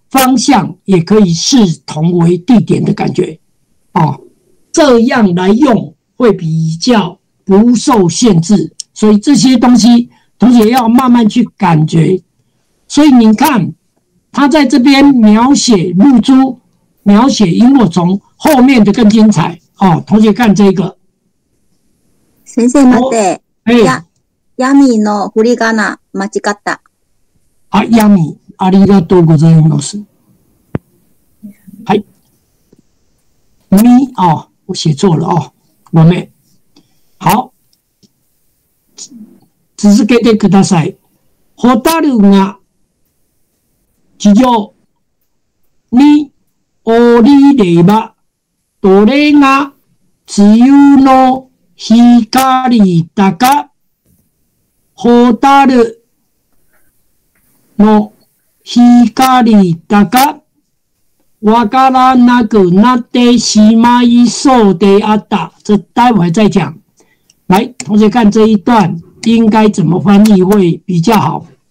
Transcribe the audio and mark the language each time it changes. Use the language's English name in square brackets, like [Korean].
[Chinese] 方向也可以视同为地点的感觉啊，这样来用会比较不受限制，所以这些东西同学要慢慢去感觉。所以你看他在这边描写露珠，描写萤火虫，后面的更精彩啊。同学看这个， [Japanese] 先生待って、哎、ヤミのふりがな間違った。啊，ヤミ、ありがとうございます。はい。 [Chinese] み、あ、我写错了、あ、ごめん。好。 [Japanese] 続けてください。ホタルが、地上に降りれば、どれが梅雨の光だか、ホタルの光だかわからなくなってしまいそうであった。 [Chinese] 这待会再讲。来，同学看这一段应该怎么翻译会比较好。